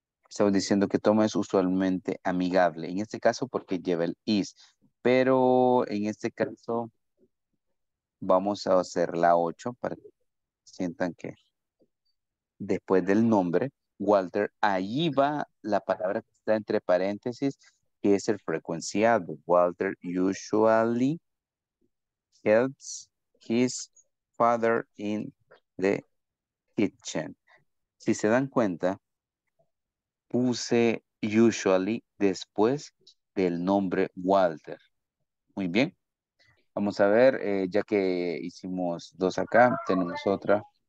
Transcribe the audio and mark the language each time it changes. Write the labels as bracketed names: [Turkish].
[Spanish] Estamos diciendo que Tom es usualmente amigable. En este caso porque lleva el is. Pero en este caso vamos a hacer la 8 para que sientan que después del nombre, Walter, allí va la palabra que está entre paréntesis, que es el frecuenciado. [English] Walter usually helps his father in the kitchen. [Spanish] Si se dan cuenta, puse usually después del nombre Walter. Muy bien. Vamos a ver, ya que hicimos dos acá, tenemos otra.